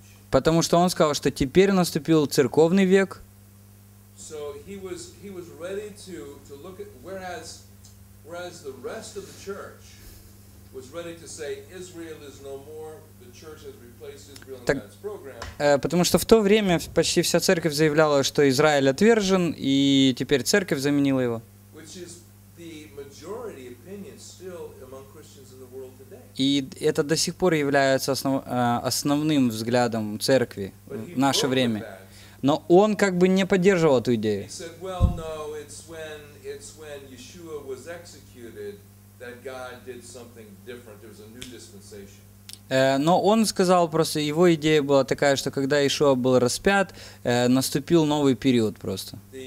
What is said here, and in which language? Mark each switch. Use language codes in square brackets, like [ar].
[ru] Потому что он сказал, что теперь наступил церковный век. [en] So he was ready to look at, whereas the rest of the church was ready to say Israel is no more, the church has replaced Israel in God's program. [ru] Потому что в то время почти вся церковь заявляла, что Израиль отвержен, и теперь церковь заменила его. [en] Which is the majority opinion still among Christians in the world today. [ru] И это до сих пор является основным взглядом церкви в наше время. Но он как бы не поддерживал эту идею. [en] He said, well, no, it's when Yeshua was executed that God did something different. There was a new dispensation. [ru] Но он сказал просто, его идея была такая, что когда Иешуа был распят, наступил новый период просто.